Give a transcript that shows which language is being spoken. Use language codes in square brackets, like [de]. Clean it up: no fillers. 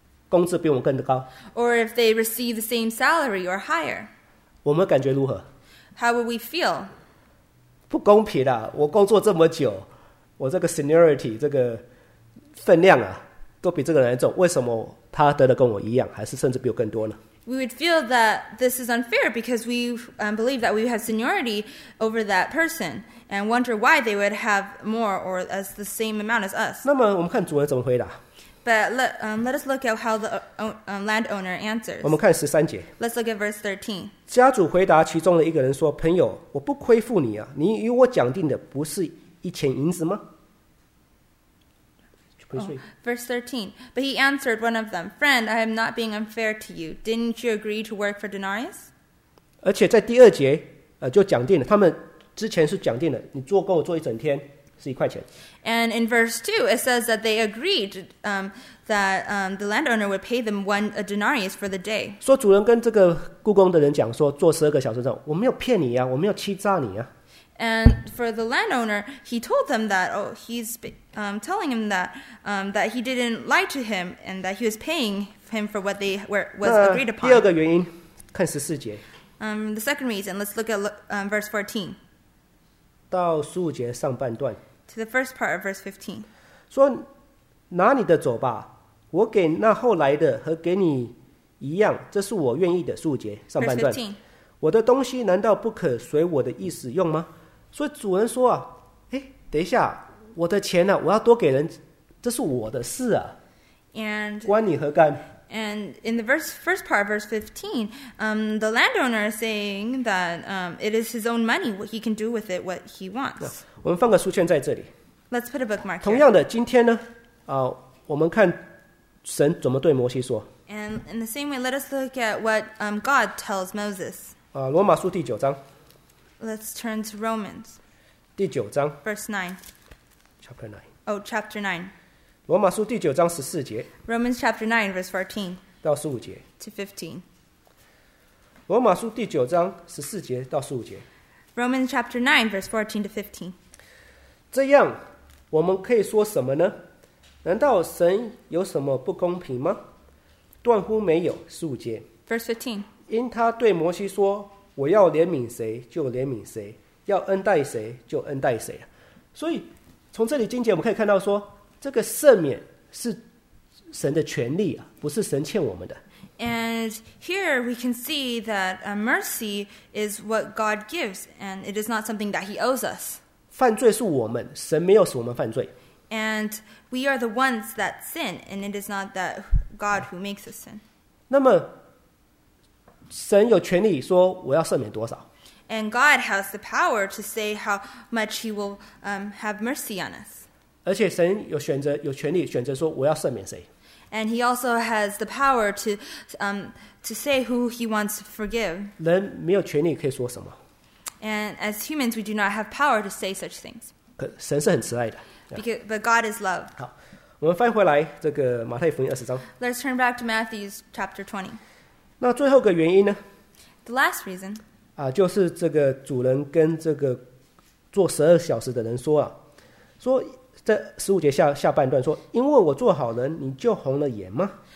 [zh] 工资比我们更高。 [en] Or if they receive the same salary or higher. [zh] 我们感觉如何？ [en] How would we feel? [zh] 不公平啊，我工作这么久，我这个 seniority 这个分量啊，都比这个人重，为什么他得的跟我一样，还是甚至比我更多呢？ [en] We would feel that this is unfair because we believe that we have seniority over that person and wonder why they would have more or as the same amount as us. [zh] 那么我们看主人怎么回答。 [en] But let us look at how the landowner answers. [zh] 我们看十三节。 [en] Let's look at verse 13. [zh] 家主回答其中的一个人说：“朋友，我不亏负你啊！你与我讲定的不是一钱银子吗？” [en] Verse 13. But he answered one of them, "Friend, I am not being unfair to you. Didn't you agree to work for denarius?" [zh] 而且在第二节，就讲定了，他们之前是讲定的，你做跟我做一整天。 [en] And in verse 2, it says that they agreed that the landowner would pay them one a denarius for the day. [zh] 说主人跟这个雇工的人讲说做十二个小时之后，我没有骗你啊，我没有欺诈你啊。 [en] And for the landowner, he told them that, he's telling him that, that he didn't lie to him and that he was paying him for what they were, was agreed upon. [zh] 第二个原因，看十四节。 [en] The second reason, let's look at verse 14. [zh] 到十五节上半段 [en] to the first part of verse 15 [zh] 说拿你的走吧我给那后来的和给你一样这是我愿意的十五节上半段 [en] verse [zh] 15我的东西难道不可随我的意思用吗所以主人说啊等一下我的钱啊我要多给人这是我的事啊 [en] and, [zh] 关你何干 [en] and in the first part of verse 15 the landowner is saying that it is his own money what he can do with it what he wants [zh] 我们放个书签在这里 [en] let's put a bookmark here [zh] 同样的今天呢我们看神怎么对摩西说 [en] and in the same way let us look at what God tells Moses [zh] 罗马书第九章 [en] let's turn to Romans [zh] 第九章 [en] verse 9 chapter 9 chapter 9 [zh] 罗马书第九章十四节 [en] Romans chapter 9 verse 14 [zh] 到十五节 [en] to 15 [zh] 罗马书第九章十四节到十五节 [en] Romans chapter 9 verse 14 to 15 [zh] 这样我们可以说什么呢难道神有什么不公平吗断乎没有十五节 [en] verse 15 [zh] 因他对摩西说我要怜悯谁就怜悯谁要恩待谁就恩待谁所以从这里经节我们可以看到说这个赦免是神的权利啊，不是神欠我们的。 [en] And here we can see that mercy is what God gives, and it is not something that He owes us. [zh] 犯罪是我们，神没有使我们犯罪。 [en] And we are the ones that sin, and it is not that God who makes us sin. [zh] 那么，神有权利说我要赦免多少。 [en] And God has the power to say how much He will have mercy on us. [zh] 而且神有选择，有权利选择说我要赦免谁。 [en] And he also has the power to say who he wants to forgive. [zh] 人没有权利可以说什么。 [en] And as humans, we do not have power to say such things. [zh] 可神是很慈爱的。 [en] Because, but God is love. [zh] 好，我们翻回来这个马太福音二十章。 [en] Let's turn back to Matthew's chapter 20. [zh] 那最后个原因呢？ [en] The last reason. [zh] 啊，就是这个主人跟这个做十二小时的人说啊，说在十五节 下半段说，因为我做好人，你就红了眼吗？